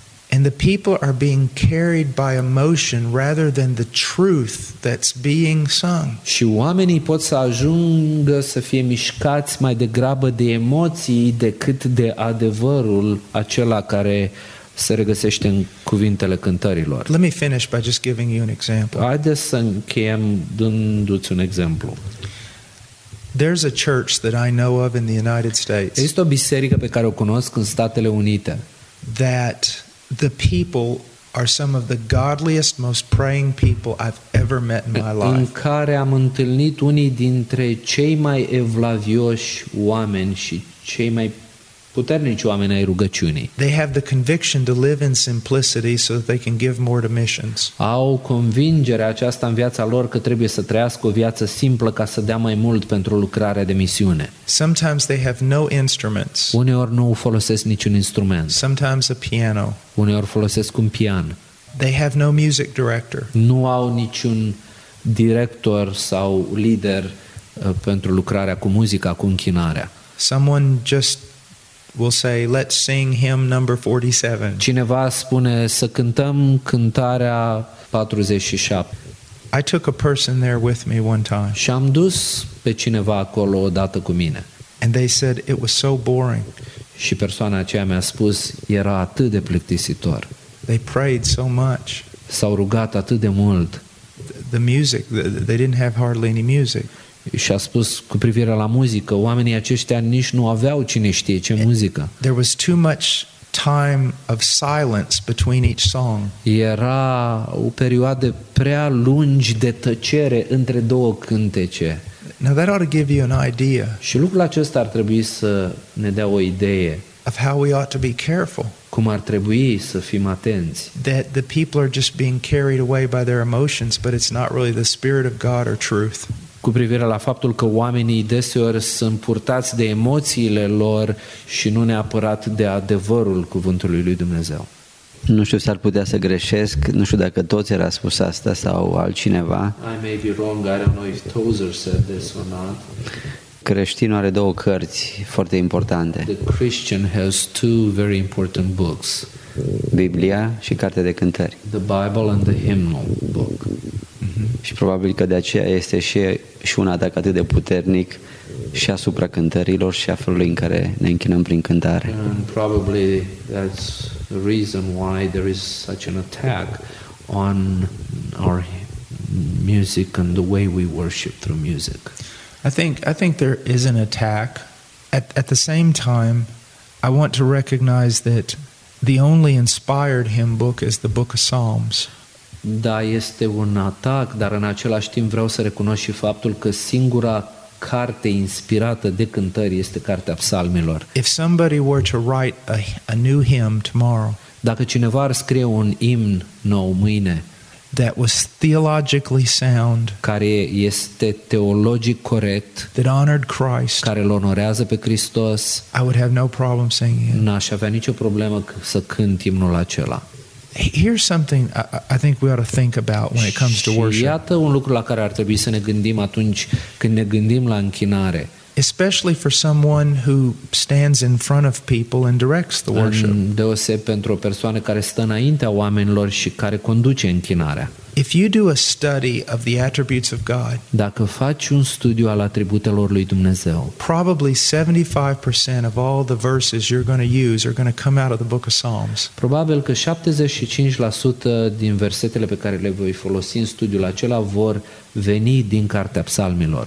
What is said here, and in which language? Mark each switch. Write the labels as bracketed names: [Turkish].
[English] And the people are being carried by emotion rather than the truth that's being sung. [Romanian] Și oamenii pot să ajungă să fie mișcați mai degrabă de emoții decât de adevărul acela care se regăsește în cuvintele cântărilor. [English] Let me finish by just giving you an example. [Romanian] Haideți să încheiem dându-ți un exemplu. [English] There's a church that I know of in the United States. [Romanian] Este o biserică pe care o cunosc în Statele Unite. [English] That the people are some of the godliest, most praying people I've ever met in my life. [Romanian] În care am întâlnit unii dintre cei mai evlavioși oameni și cei mai puternici oameni ai rugăciunii. [English] They have the conviction to live in simplicity so that they can give more to missions. [Romanian] Au convingerea aceasta în viața lor că trebuie să trăiască o viață simplă ca să dea mai mult pentru lucrarea de misiune. [English] Sometimes they have no instruments. [Romanian] Uneori nu folosesc niciun instrument. [English] Sometimes a piano. [Romanian] Uneori folosesc un pian. [English] They have no music director. [Romanian] Nu au niciun director sau lider pentru lucrarea cu muzica, cu închinarea. [English] Someone just we'll say, let's sing hymn number 47. [Romanian] Cineva spune să cântăm cântarea 47. [English] I took a person there with me one time. [Romanian] Și am dus pe cineva acolo odată cu mine. [English] And they said it was so boring. [Romanian] Și persoana aceea mi-a spus era atât de plictisitor. [English] They prayed so much. [Romanian] S-au rugat atât de mult. [English] The music, they didn't have hardly any music. [Romanian] Și a spus cu privire la muzică, oamenii aceștia nici nu aveau cine știe ce muzică. [English] There was too much time of silence between each song. [Romanian] Era o perioadă prea lungi de tăcere între două cântece. [English] Now that ought to give you an idea. [Romanian] Și lucrul acesta ar trebui să ne dea o idee. [English] Of how we ought to be careful. [Romanian] Cum ar trebui să fim atenți. [English] That the people are just being carried away by their emotions, but it's not really the spirit of God or truth. [Romanian] Cu privire la faptul că oamenii deseori sunt purtați de emoțiile lor și nu neapărat de adevărul cuvântului lui Dumnezeu. Nu știu, s-ar putea să greșesc, nu știu dacă toți era spus asta sau altcineva. [English] I may be wrong, I don't know if Tozer said this or not. [Romanian] Creștinul are două cărți foarte importante. [English] The Christian has two very important books. [Romanian] Biblia și cartea de cântări. [English] The Bible and the hymnal book. [Romanian] Și probabil că de aceea este și un atac atât de puternic și asupra cântărilor și a felului în care ne închinăm prin cântare. [English] And probably that's the reason why there is such an attack on our music and the way we worship through music. I think there is an attack. At the same time, I want to recognize that the only inspired hymn book is the Book of Psalms. [Romanian] Da, este un atac, dar în același timp vreau să recunosc și faptul că singura carte inspirată de cântări este Cartea Psalmilor. [English] If somebody were to write a new hymn tomorrow, [Romanian] dacă cineva ar scrie un imn nou mâine, [English] that was theologically sound, [Romanian] care este teologic corect, [English] that honored Christ, [Romanian] care îl onorează pe Hristos, [English] I would have no problem singing it. [Romanian] N-aș avea nicio problemă să cânt imnul acela. [English] Here's something I think we ought to think about when it comes to worship. [Romanian] Iată un lucru la care ar trebui să ne gândim atunci când ne gândim la închinare. [English] Especially for someone who stands in front of people and directs the worship. [Romanian] Deosebit pentru o persoană care stă înaintea oamenilor și care conduce închinarea. [English] If you do a study of the attributes of God, [Romanian] dacă faci un studiu al atributelor lui Dumnezeu, [English] probably 75% of all the verses you're going to use are going to come out of the book of Psalms. [Romanian] Probabil că 75% din versetele pe care le voi folosi în studiul acela vor veni din cartea Psalmilor.